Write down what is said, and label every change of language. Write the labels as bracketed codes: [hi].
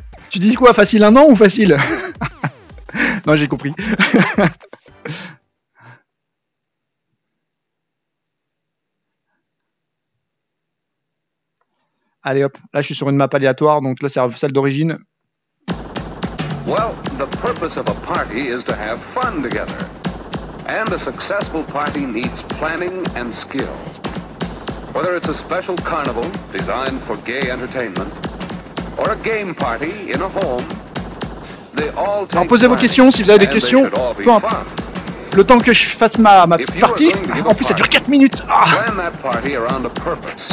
[fr] Tu dis quoi, facile un an ou facile? Non, j'ai compris. Allez hop, là je suis sur une map aléatoire, donc là c'est celle d'origine. [en] Well, the purpose of a party is to have fun together. And a successful party needs planning and skills. Whether it's a special carnival designed for gay entertainment or a game party in a home, they all take. [fr] Alors, posez vos questions si vous avez des questions. Peu importe. Le temps que je fasse ma partie, en plus ça dure 4 minutes. [en] Plan that party around a purpose.